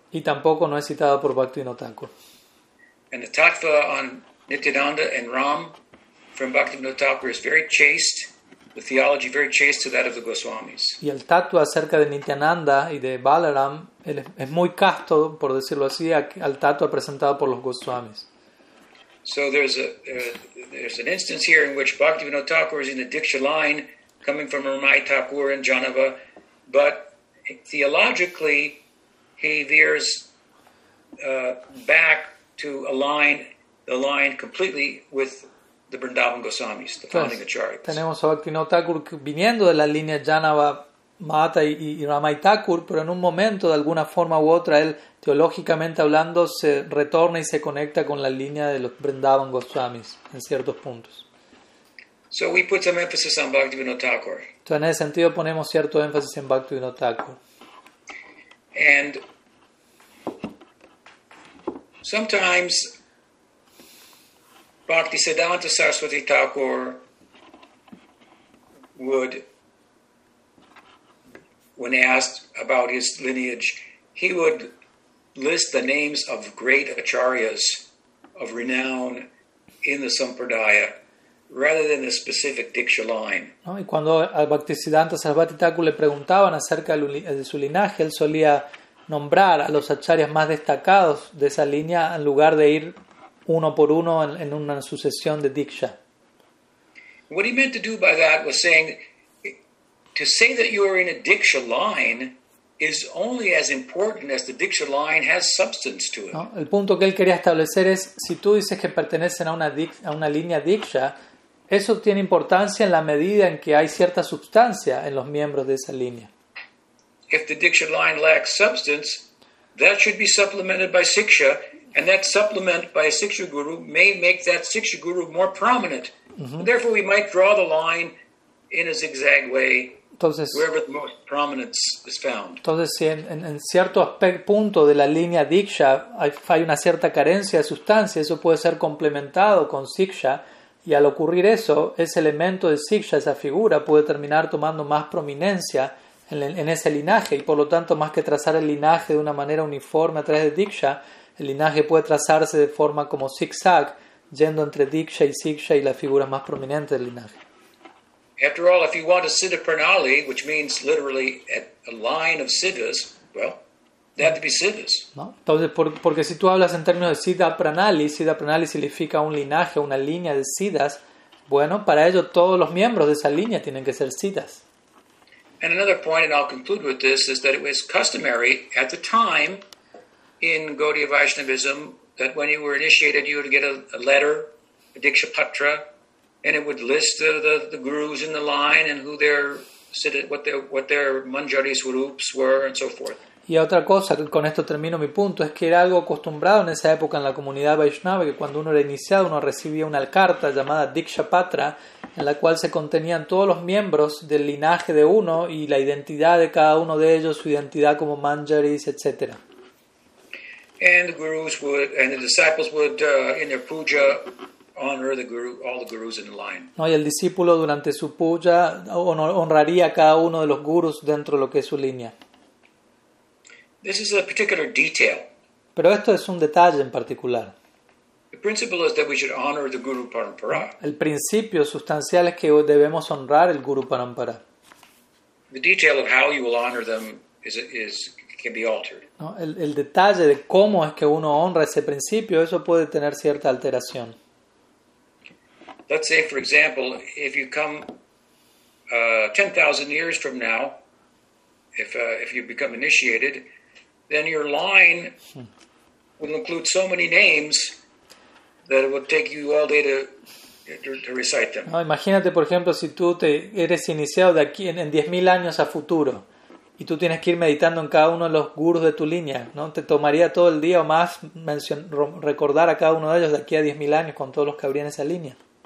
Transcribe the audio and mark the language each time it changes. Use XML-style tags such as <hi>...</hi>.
<es>Y tampoco no es citado por Bhaktivinoda Thakur.</es> <en>And the tattva on Nityananda and Ram from Bhaktivinoda Thakur is very chaste. The theology very chaste to that of the Goswamis.</en> <es>Y el tatua acerca de Nityananda y de Balaram es muy casto, por decirlo así, al tatua presentado por los Goswamis.</es> <en>So there's an instance here in which Bhaktivinoda Thakur is in the Diksha line coming from Ramai Thakur and Janava, but theologically he veers back to align completely with the Vrindavan Goswamis, the founding acharyas.</en> <es>Tenemos a Bhaktivinoda Thakur viniendo de la línea Janava, Mata y Ramai Thakur, pero en un momento, de alguna forma u otra, él, teológicamente hablando, se retorna y se conecta con la línea de los Vrindavan Goswamis en ciertos puntos.</es> <en>So we put some emphasis on Bhaktivinoda Thakur.</en> <es>Entonces, en ese sentido, ponemos cierto énfasis en Bhaktivinoda Thakur.</es> <en>And sometimes Bhaktisiddhanta Saraswati Thakur would, when asked about his lineage, he would list the names of great acharyas of renown in the Sampradaya rather than the specific Diksha line.</en> <es>¿No? Y cuando al Bhaktisiddhanta Sarasvati Thakur le preguntaban acerca de su linaje, él solía nombrar a los acharyas más destacados de esa línea en lugar de ir uno por uno en una sucesión de Diksha.</es> <en>What he meant to do by that was saying, to say that you are in a Diksha line is only as important as the Diksha line has substance to it.</en> <es>No, el punto que él quería establecer es, si tú dices que pertenecen a una línea Diksha, eso tiene importancia en la medida en que hay cierta sustancia en los miembros de esa línea.</es> <en>If the Diksha line lacks substance, that should be supplemented by Siksha, and that supplement by a Siksha guru may make that Siksha guru more prominent. Mm-hmm. Therefore, we might draw the line in a zigzag way.</en> <es>Entonces,</es> <en>wherever the most prominence is found.</en> <es>Entonces, si en cierto punto de la línea Diksha hay una cierta carencia de sustancia, eso puede ser complementado con Siksha, y al ocurrir eso, ese elemento de Siksha, esa figura, puede terminar tomando más prominencia en ese linaje, y por lo tanto, más que trazar el linaje de una manera uniforme a través de Diksha, el linaje puede trazarse de forma como zigzag, yendo entre Diksha y Siksha y la figura más prominente del linaje.</es> <en>After all, if you want a siddha pranali, which means literally a line of siddhas, well, they have to be siddhas.</en> <es>No, entonces, porque si tú hablas en términos de siddha pranali significa un linaje, una línea de siddhas, bueno, para ello todos los miembros de esa línea tienen que ser siddhas.</es> <en>And another point, and I'll conclude with this, is that it was customary at the time in Gaudiya Vaishnavism that when you were initiated, you would get a letter, a Diksha Patra, and it would list the gurus in the line and who their what their manjari swarups were and so forth.</en> <es>Y otra cosa, con esto termino mi punto, es que era algo acostumbrado en esa época en la comunidad Vaishnava que cuando uno era iniciado uno recibía una carta llamada Diksha Patra en la cual se contenían todos los miembros del linaje de uno y la identidad de cada uno de ellos, su identidad como manjaris, etc.</es> <en>And the gurus would and the disciples would in their puja honor the guru, all the gurus in the line.</en> <es>No, y el discípulo durante su puja honraría a cada uno de los gurus dentro de lo que es su línea.</es> <en>This is a particular detail.</en> <es>Pero esto es un detalle en particular.</es> <en>The principle is that we should honor the guru parampara.</en> <es>El principio sustancial es que debemos honrar el guru parampara.</es> <en>The detail of how you will honor them is can be altered.</en> <es>No, el detalle de cómo es que uno honra ese principio, eso puede tener cierta alteración.</es> <en>Let's say, for example, if you come 10,000 years from now, if you become initiated, then your line will include so many names that it will take you all day to recite them.</en> <es>No, imagínate, por ejemplo, si tú eres iniciado de aquí en 10,000 años a futuro y tú tienes que ir meditando en cada uno de los gurus de tu línea, ¿no? Te tomaría todo el día o más recordar a cada uno de ellos de aquí a 10,000 años con todos los que habría en esa línea.</es>